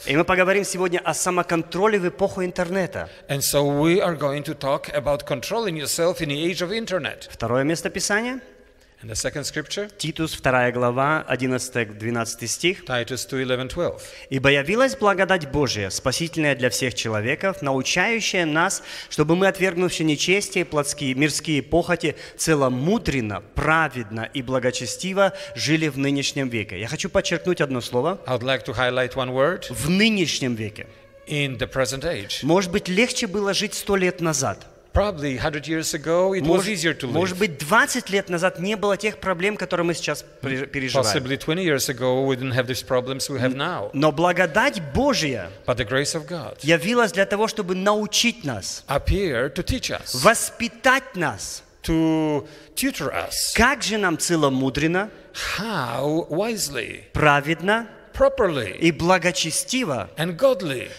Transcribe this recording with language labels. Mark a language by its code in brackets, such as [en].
[ru] И мы поговорим сегодня о самоконтроле в эпоху интернета. [en] And so we are going to talk about controlling yourself in the age of internet. [ru] Второе место писания. [en] And the second scripture. [ru] Титус 2 глава 11-12 стих. [en] Titus 2:11-12. [ru] Ибо явилась благодать Божия, спасительная для всех человеков, научающая нас, чтобы мы, отвергнувши нечестие, плотские, мирские похоти, целомудренно, праведно и благочестиво жили в нынешнем веке. Я хочу подчеркнуть одно слово. [en] I would like to highlight one word. [ru] В нынешнем веке. [en] In the present age. [ru] Может быть, легче было жить 100 лет назад. [en] Probably 100 years ago it was easier to live. [ru] Может быть, 20 лет назад не было тех проблем, которые мы сейчас переживаем. [en] Possibly 20 years ago we didn't have these problems we have now. [ru] Но благодать Божия. [en] But the grace of God. [ru] Явилась для того, чтобы научить нас. [en] Appear to teach us. [ru] Воспитать нас. [en] To tutor us. [ru] Как же нам целомудренно? [en] How wisely. [ru] Праведно. [en] Properly. [ru] И благочестиво. [en] And godly.